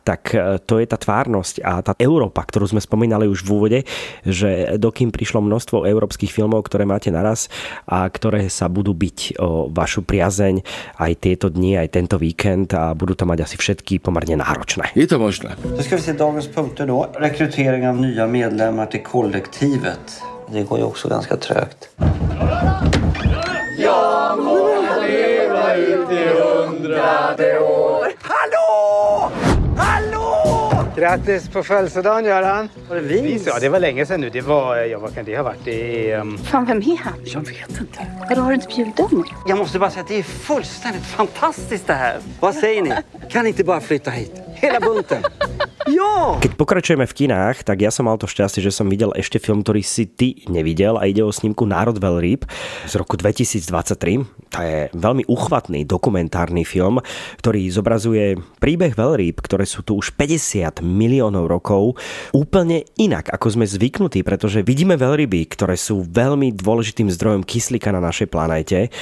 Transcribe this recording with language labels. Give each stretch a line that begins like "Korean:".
Slovak: Tak to je tá tvárnosť a tá Európa, ktorú sme spomínali už v úvode, že dokým prišlo množstvo európskych filmov, ktoré máte naraz a ktoré sa budú biť o vašu priazeň aj tieto dni, aj tento víkend a budú to mať asi všetky pomerne náročné. Je to možné.
Swedish: Nu ska vi se dagens punkter då. Rekrytering av nya medlemmar till kollektivet. Det går ju också ganska trögt. Ja, må leva i det hundrade år. Hallå! Hallå! Grattis på födelsedagen, Göran. Var det vis? Ja, det var länge sedan nu. Det var, ja, vad kan det ha varit? Det är, Fan, vem är han? Jag vet inte. Eller har du inte bjuden? Jag måste bara säga att det är fullständigt fantastiskt det här. Vad säger ni? Kan ni inte bara flytta hit? Hela bunten. Jo!
Slovak: Keď pokračujeme v kinách, tak ja som mal to šťastie, že som videl ešte film, ktorý si ty nevidel a ide o snímku Národ veľrýb z roku 2023. To je veľmi uchvatný dokumentárny film, ktorý zobrazuje príbeh veľrýb, ktoré sú tu už 50 miliónov rokov, úplne inak, ako sme zvyknutí, pretože vidíme veľryby, ktoré sú veľmi dôležitým zdrojom kyslíka na našej planéte.